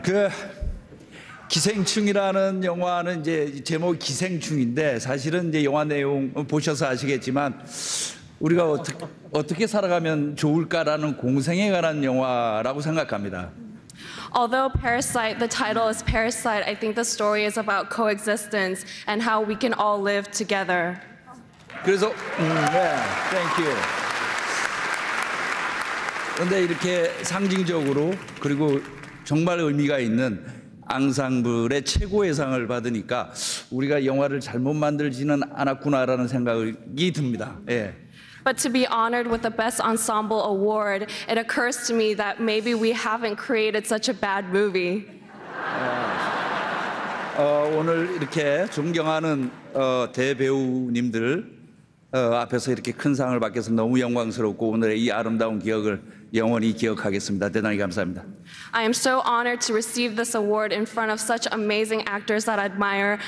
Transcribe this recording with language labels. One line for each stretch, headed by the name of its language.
Korean: 그 기생충이라는 영화는 이제 제목이 기생충인데 사실은 이제 영화 내용 보셔서 아시겠지만 우리가 어떻게 살아가면 좋을까라는 공생에 관한 영화라고 생각합니다.
English: Although Parasite, the title is Parasite, I think the story is about coexistence and how we can all live together.
Korean: 그래서
English: yeah, thank you.
Korean: 근데 이렇게 상징적으로 그리고 정말 의미가 있는 앙상블의 최고예상을 받으니까 우리가 영화를 잘못 만들지는 않았구나라는 생각이 듭니다. 예.
English: But to be honored with the Best Ensemble Award, it occurs to me that maybe we haven't created such a bad movie.
Korean: 오늘 이렇게 존경하는 대배우님들 앞에서 이렇게 큰 상을 받게서 너무 영광스럽고 오늘의 이 아름다운 기억을 영원히 기억하겠습니다. 대단히 감사합니다.
English: I am so honored to receive this award in front of such amazing actors that I admire.